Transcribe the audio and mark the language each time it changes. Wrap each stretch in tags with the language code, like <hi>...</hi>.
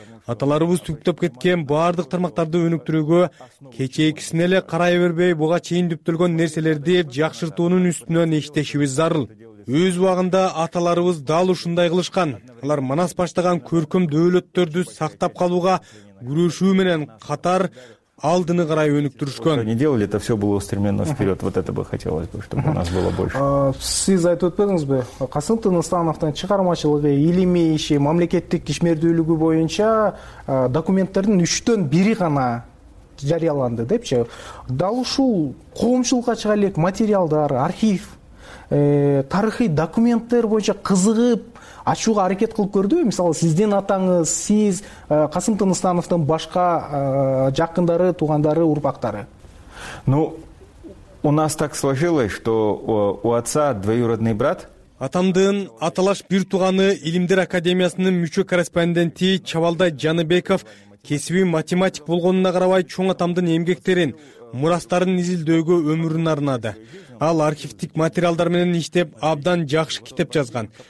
<ky>Аталарыбыз түптөп кеткен баардык тармактарды өнүктүрүүгө кечээкисин эле карай бербей, буга чейин түптөлгөн нерселерди жакшыртуунун үстүнөн иштешибиз зарыл. Өз убагында аталарыбыз дал ушундай кылышкан. Алар Манас баштаган көркөм дөөлөттөрдү сактап калууга күрөшүү менен катар алдыны карай өнүктүрүшкөн.</ky> <ru>Не делали, это все было устремлено вперед. Вот это бы хотелось бы, чтобы у нас было больше.</ru> <ky>Сиз айтып өтпөдүңүзбү? Касым Тыныстановдун чыгармачылыгы, илимий иши, мамлекеттик ишмердүүлүгү боюнча документтердин 1/3 гана жарыяланды депчи. Дал ушул коомчулукка чыга элек материалдар, архив, тарыхый документтер боюнча кызыгып ачууга аракет кылып көрдүбү? Мисалы сиздин атаңыз, сиз Касым Тыныстановдун башка жакындары, туугандары, урпактары?</ky> <ru>Ну, у нас так сложилось, что у отца двоюродный брат.</ru> <ky>Атамдын аталаш бир тууганы Илимдер академиясынын мүчө корреспонденти Чабалдай Жаныбеков кесиби математик болгонуна карабай чоң атамдын эмгектерин, мурастарын изилдөөгө өмүрүн арнады. Ал архивтик материалдар менен иштеп абдан жакшы китеп жазган.</ky>